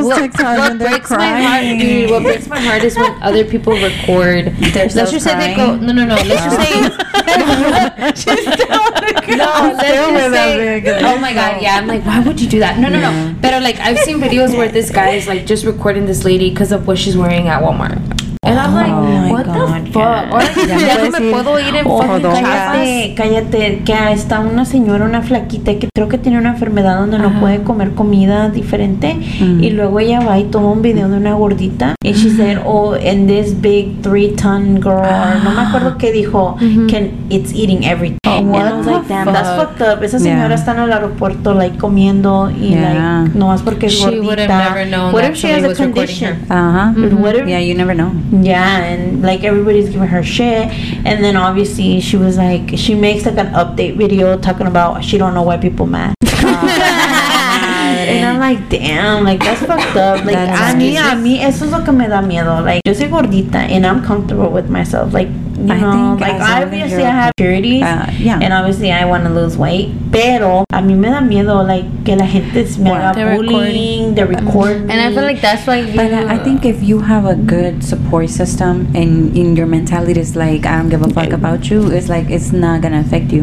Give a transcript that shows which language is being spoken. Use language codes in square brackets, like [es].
[en] What breaks my heart is when other people record themselves. Let's just say they go. No. Let's just say. Oh my god, yeah. I'm like, why would you do that? No. But like, I've seen videos where this guy is like just recording this lady because of what she's wearing at Walmart. And I'm like, [es] Cállate, que está una señora, una flaquita, que creo que tiene una enfermedad donde no puede comer comida diferente. Y luego ella va y toma un video de una gordita. [en] Y she said, oh, and this big 3-ton girl, [es] no me acuerdo qué dijo, [en] can it's eating everything. Oh, what the fuck? That's fucked up. [es] Esa señora está en el aeropuerto, like, comiendo, y, like, nomás porque es gordita. [en] She would have never known. What if she has a condition? You never know. Yeah, and, like, everybody's giving her shit, and then obviously she was like, she makes like an update video talking about she don't know why people mad. And I'm like, damn, like, that's fucked up. [es] Like, a mí eso es lo que me da miedo. [en] Like, [es] yo soy gordita [en] and I'm comfortable with myself, like, you know, I like, obviously I have insecurities, and obviously I want to lose weight, [es] pero a mí me da miedo, [en] like, [es] que la gente se me haga bullying, [en] they record me. And I feel like that's why you... But I think if you have a good support system and in your mentality is like, I don't give a fuck about you, it's like, it's not gonna affect you.